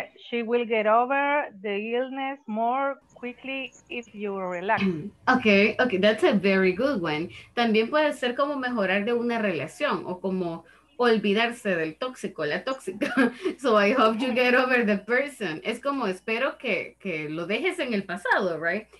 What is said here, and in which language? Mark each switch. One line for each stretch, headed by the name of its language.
English: She will get over the illness more quickly if you relax. Okay, that's a very good one.
Spanish: También puede ser como mejorar de una relación o como olvidarse del tóxico, la tóxica.
English: So I hope you get over the person.
Spanish: Es como espero que lo dejes en el pasado,
English: right?